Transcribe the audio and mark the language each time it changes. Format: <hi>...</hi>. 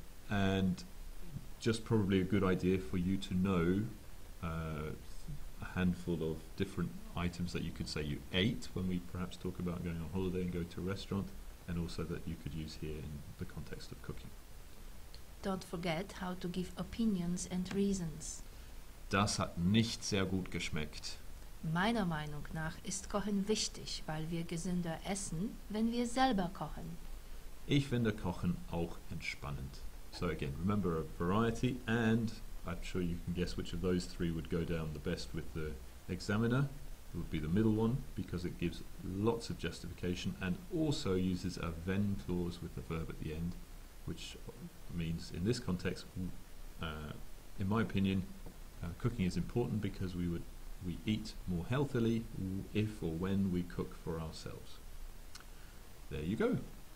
<en>And just probably a good idea for you to know a handful of different items that you could say you ate when we perhaps talk about going on holiday and going to a restaurant, and also that you could use here in the context of cooking. Don't forget how to give opinions and reasons.</en> <de>Das hat nicht sehr gut geschmeckt. Meiner Meinung nach ist Kochen wichtig, weil wir gesünder essen, wenn wir selber kochen. Ich finde Kochen auch entspannend.</de> <en>So again, remember a variety, and I'm sure you can guess which of those three would go down the best with the examiner. It would be the middle one because it gives lots of justification and also uses a when clause with the verb at the end, which means in this context, in my opinion, cooking is important because we eat more healthily if or when we cook for ourselves. There you go.</en>